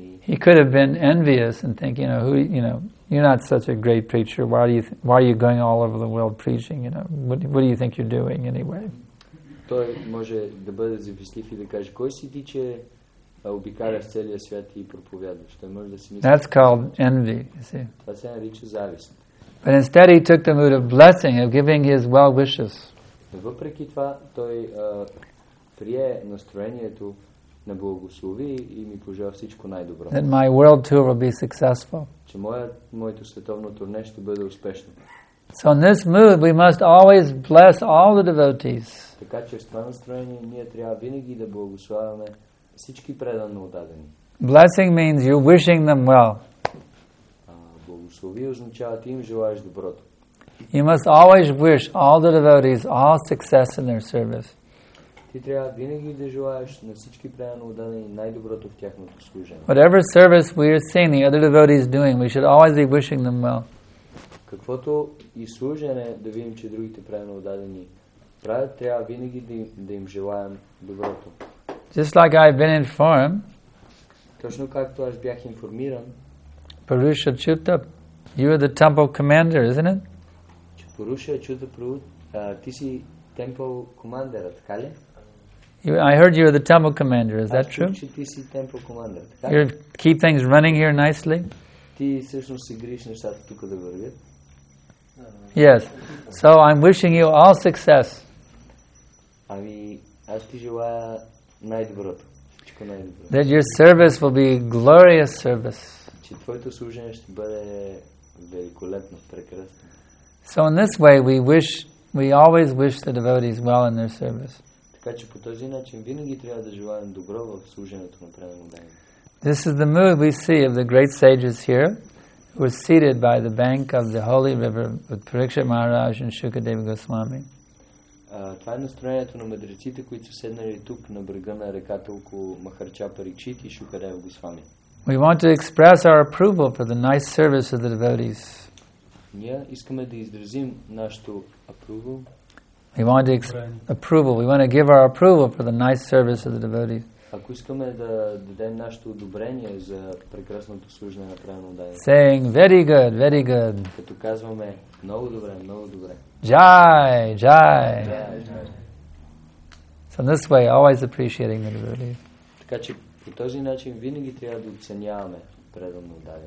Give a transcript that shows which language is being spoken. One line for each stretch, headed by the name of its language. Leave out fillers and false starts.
English: He could have been envious and thinking, you know, who, you know, you're not such a great preacher. Why are you going all over the world preaching? You know, what do you think you're doing anyway?
Bulgarian: Той може да бъде завистлив и да каже, кой си ти, че обикаляш целия свят и проповядваш? Той може да си мисли.
English: That's called envy, you see.
Bulgarian: Това се нарича завист.
English: But instead he took the mood of blessing, of giving his well wishes.
Bulgarian: Въпреки това, той прие настроението на благослови и ми пожела всичко най-добро.
English: That my world tour will be successful.
Bulgarian: Че моето световно турне ще бъде успешно.
English: So in this mood, we must always bless all the devotees.
Bulgarian: Така че в това настроение ние трябва винаги да благославяме всички преданно отдадени.
English: Blessing means you wishing them well.
Bulgarian: Благослови означава ти им желаеш доброто.
English: You must always wish all the devotees all success in their service.
Bulgarian: Ти трябва винаги да желаеш на всички преданно отдадени най-доброто в тяхното служение.
English: Whatever service we are seeing the other devotees doing, we should always be wishing them well.
Bulgarian: Каквото и служене да видим, че другите преданно отдадени правят, трябва винаги да им желаем доброто.
English: Just like I've been informed,
Bulgarian: точно както аз бях информиран,
English: Purusha Chutta, you are the temple commander, isn't it?
Bulgarian: Purusha Chutta, ти си temple commander, така ли?
English: I heard you are the temple commander, is that true?
Bulgarian: Че ти си temple commander, така ли?
English: You keep things running here nicely?
Bulgarian: Ти всъщност си гриш нещата тук да вървят.
English: Yes. So I'm wishing you all success.
Bulgarian: Ами, аз ти желая най-доброто. Всичко най-доброто.
English: That your service will be a glorious service.
Bulgarian: Че твоето служение ще бъде великолепно, прекрасно.
English: So in this way we always wish the devotees well in their service.
Bulgarian: Така че по този начин винаги трябва да желаем добро в служението на преданно отдадени.
English: This is the mood we see of the great sages here. Was seated by the bank of the holy river with Parikshit Maharaj and Shukadeva Goswami.
Bulgarian: Това е настроението на мъдреците, които са седнали тук на брега на реката около Махарча Паричит и Шукадева Госвами.
English: We want to express our approval for the nice service of the devotees.
Bulgarian: Ние искаме да изразим нашето approval.
English: We want to approval. We want to give our approval for the nice service of the devotees.
Bulgarian: Ако искаме да дадем нашето одобрение за прекрасното служение на преданно отдадени.
English: Saying very good, very good.
Bulgarian: Като казваме много добре, много добре. Jai, jai.
English: So in this way, always appreciating the devotee.
Bulgarian: Така че по този начин винаги трябва да оценяваме преданно отдадени.